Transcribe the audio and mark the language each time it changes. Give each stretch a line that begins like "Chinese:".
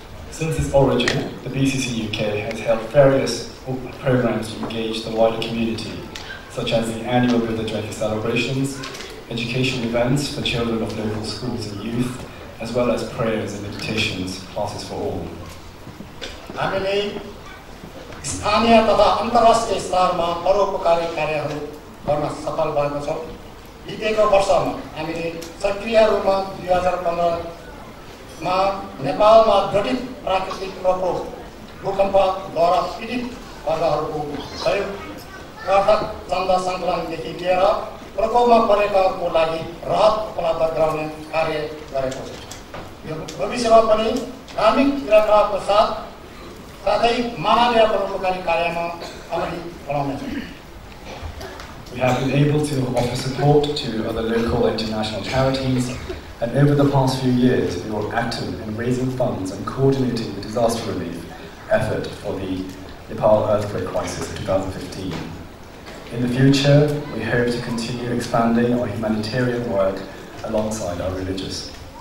English: Since its origin, the BCCUK has held various programs to engage the wider community, such as the annual Buddha Jayanti celebrations, education events for children of local schools and youth, as well as prayers and meditations, classes for all.
Nepali: हामीले स्थानीय तथा अन्तर्राष्ट्रिय स्तरमा परोपकारी कार्यहरू गर्न सफल भएको छ। बितेको वर्षमा हामीले सक्रिय रूपमा 2015 मा नेपालमा घटित प्राकृतिक प्रकोप भूकम्पद्वारा पीडित वर्गहरूको सहयोग कर्ता चन्दा संकलनदेखि लिएर प्रकोपमा परेकाको लागि राहत उपलब्ध गराउने कार्य गरेको छ। यो भविष्यमा पनि ग्रामीण क्रियाकलापको साथ साथै मानवीय परोपकारी कार्यमा अगाडि बढाउनेछ।
English: We have been able to offer support to other local international charities, and over the past few years, we were active in raising funds and coordinating the disaster relief effort for the Nepal earthquake crisis of 2015. In the future, we hope to continue expanding our humanitarian work alongside our religious.